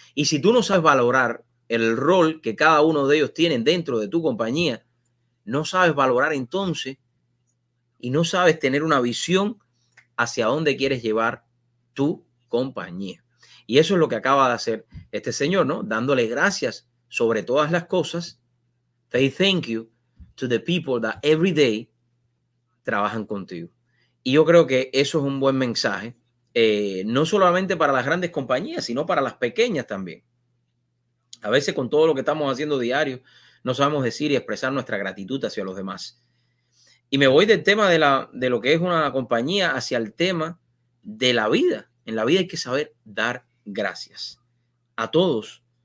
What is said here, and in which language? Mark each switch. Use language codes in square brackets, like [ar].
[es] Y si tú no sabes valorar el rol que cada uno de ellos tienen dentro de tu compañía, no sabes valorar entonces y no sabes tener una visión hacia dónde quieres llevar tu compañía. Y eso es lo que acaba de hacer este señor, ¿no? Dándole gracias sobre todas las cosas. [en] They thank you to the people that every day [es] trabajan contigo. Y yo creo que eso es un buen mensaje, no solamente para las grandes compañías, sino para las pequeñas también. A veces con todo lo que estamos haciendo diario, no sabemos decir y expresar nuestra gratitud hacia los demás. Y me voy del tema de lo que es una compañía hacia el tema de la vida. En la vida hay que saber dar gracias a todos